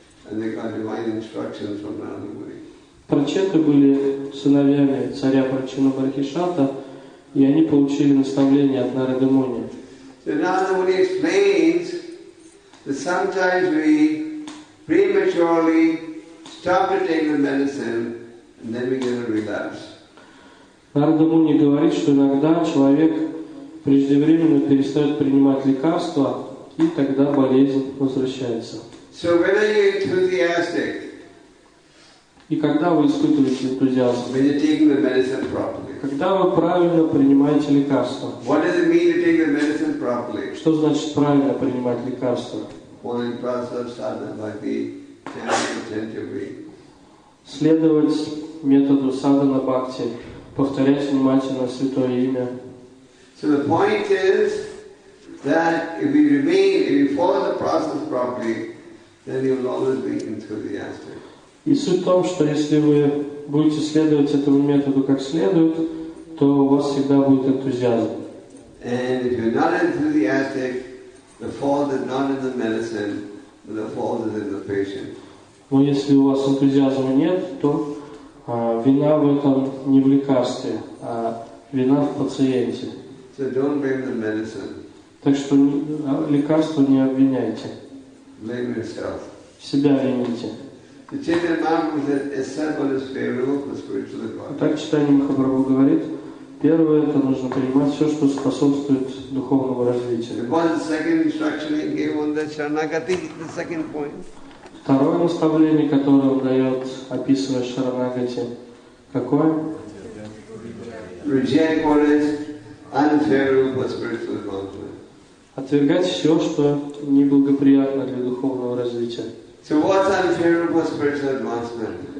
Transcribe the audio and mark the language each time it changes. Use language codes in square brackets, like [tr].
[en] And they got divine instructions from Narada Muni. [ru] Прачеты были сыновьями царя Прачина Бархишата, и они получили наставление от Нарада Муни. [en] So Narada Muni explains that sometimes we prematurely stop to take the medicine, and then we get a relapse. [ru] Нарада Муни говорит, что иногда человек преждевременно перестает принимать лекарства, и тогда болезнь возвращается. [en] So when are you enthusiastic? [ru] И когда вы испытываете энтузиазм? [en] When you're taking the medicine properly. [ru] Когда вы правильно принимаете лекарства? [en] What does it mean to take the medicine properly? [ru] Что значит правильно принимать лекарства? [en] One process of sadhana bhakti, attentively. [ru] Следовать методу садхана бхакти, повторять внимательно святое имя. [en] So the point is that if you follow the process properly, then you'll always be enthusiastic. [ru] И суть в том, что если вы будете следовать этому методу как следует, то у вас всегда будет энтузиазм. [en] And if you're not enthusiastic, the fault is not in the medicine, but the fault is in the patient. [ru] Но если у вас энтузиазма нет, то вина в этом не в лекарстве, а вина в пациенте. [en] So don't blame the medicine. [ru] Так что лекарство не обвиняйте. [en] Blame yourself. [ru] Себя вините. [en] The Chaitanya Mahaprabhu said, accept what is favorable for spiritual advancement. [ru] Так Чайтанья Махапрабху говорит, первое, это нужно принимать все, что способствует духовному развитию. [en] What was the second instruction he gave on the Sharanagati, the second point? [ru] Второе наставление, которое он дает, описывая Шаранагати, какое? [en] Reject what is unfavorable for spiritual advancement. [ru] Отвергать все, что неблагоприятно для духовного развития. [en] So what's unfavorable for spiritual advancement?